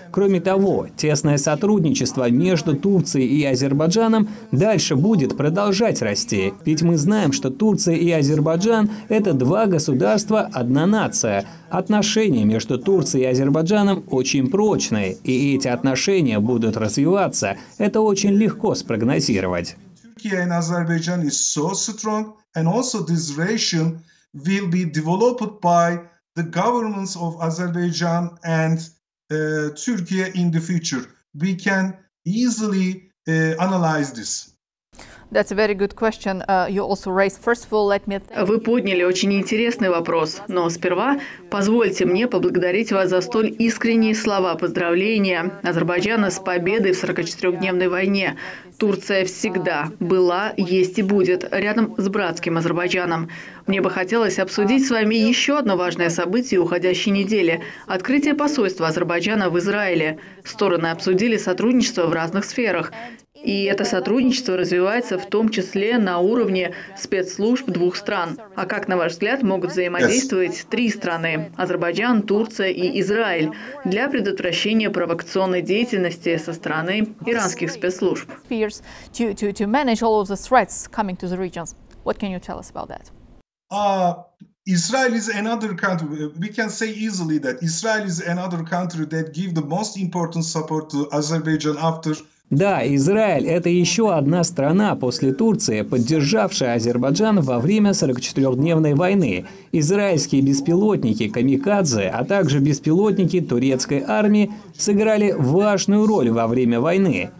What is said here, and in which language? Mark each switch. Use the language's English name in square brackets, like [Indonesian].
[Russian] Кроме того, тесное сотрудничество между Турцией и Азербайджаном дальше будет продолжать расти. Ведь мы знаем, что Турция и Азербайджан – это 2 государства, 1 нация. Отношения между Турцией и Азербайджаном очень прочные, и эти отношения будут развиваться. Это очень легко спрогнозировать. [English] Turkey and Azerbaijan is so strong, and also this relation will be developed by the governments of Azerbaijan and Turkey in the future. We can easily analyze this. That's a very good question. You also raised. First of all, let me. [Russian] Вы подняли очень интересный вопрос, но сперва позвольте мне поблагодарить вас за столь искренние слова поздравления Азербайджана с победой в 44-дневной войне. Турция всегда была, есть и будет рядом с братским Азербайджаном. Мне бы хотелось обсудить с вами еще одно важное событие уходящей недели – открытие посольства Азербайджана в Израиле. Стороны обсудили сотрудничество в разных сферах. И это сотрудничество развивается в том числе на уровне спецслужб 2 стран. А как, на ваш взгляд, могут взаимодействовать 3 страны – Азербайджан, Турция и Израиль – для предотвращения провокационной деятельности со стороны иранских спецслужб? [English] To manage all of the threats coming to the regions. What can you tell us about that? Israel is another country. We can say easily that Israel is another country that gives the most important support to Azerbaijan after. [Russian] Да, Израиль – это еще одна страна после Турции, поддержавшая Азербайджан во время 44-дневной войны. Израильские беспилотники «Камикадзе», а также беспилотники турецкой армии сыграли важную роль во время войны.